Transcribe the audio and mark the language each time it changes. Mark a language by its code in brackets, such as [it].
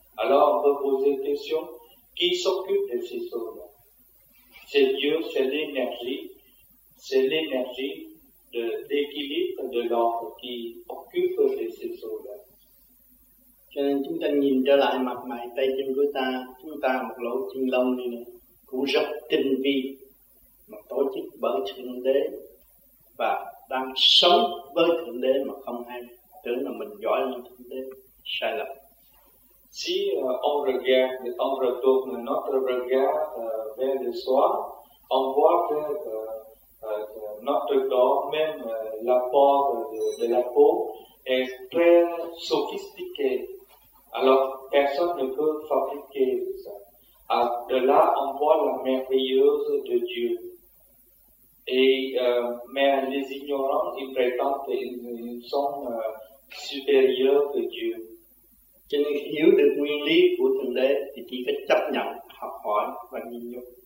[fr] Alors, on peut poser la question, qui s'occupe de ces choses-là? C'est Dieu, c'est l'énergie de l'équilibre de l'homme qui occupe de ces choses-là. [vi] Cho nên chúng ta nhìn trở lại mặt mày tay chân của ta, chúng ta một lỗ chân lông này nè, cũng rất tinh vi, mà tổ chức bởi Thượng Đế và đang sống với Thượng Đế mà không hay, tưởng là mình giỏi hơn Thượng Đế, sai lầm. [fr] Si on retourne notre regard vers le soir, on voit que notre corps, même la peau de la peau, est très sophistiqué. Alors, personne ne peut fabriquer ça. De là, on voit la merveilleuse de Dieu. Mais les ignorants, ils prétendent qu'ils sont supérieurs de Dieu. [vi] Cho nên hiểu được nguyên lý của Thượng Đế thì chỉ có chấp nhận, học hỏi và nghiên cứu.